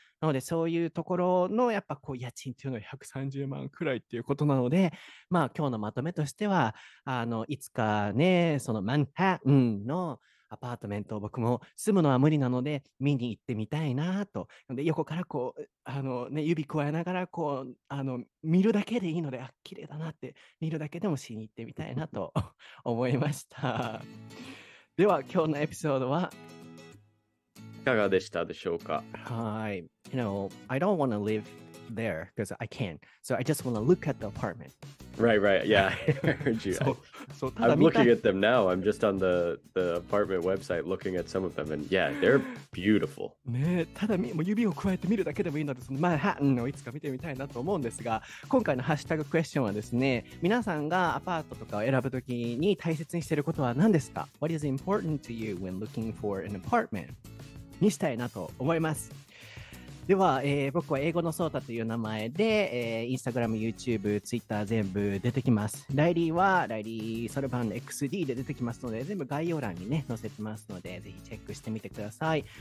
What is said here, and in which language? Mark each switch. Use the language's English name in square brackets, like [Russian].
[Japanese] なので、そういうところのやっぱこう家賃というのは130万くらいっていうことなので、まあ今日のまとめとしては、いつかね、そのマンハッタンのアパートメントを僕も住むのは無理なので、見に行ってみたいなと。で、横からこう、ね、指加えながらこう、見るだけでいいので、あ、綺麗だなって、見るだけでもしに行ってみたいなと思いました。では、今日のエピソードは、いかがでしたでしょうか。はい、 [English] you know, I don't want to live there because I can't. So I just want to look at the apartment. Right, right. Yeah, I heard you. So I'm looking at them now. I'm just on the apartment website looking at some of them, and yeah, they're beautiful. [Japanese] ね、ただもう指を加えて見るだけでもいいので、そのマンハッタンをいつか見てみたいなと思うんですが、今回のハッシュタグクエスチョンはですね、皆さんがアパートとかを選ぶときに大切にしていることは何ですか。 [English] What is important to you when looking for an apartment? [Japanese] にしたいなと思います。では、僕は英語のそーたという名前で、インスタグラム、YouTube、Twitter 全部出てきます。ライリーはライリーソルバン XD で出てきますので、全部概要欄にね載せてますので、ぜひチェックしてみてください。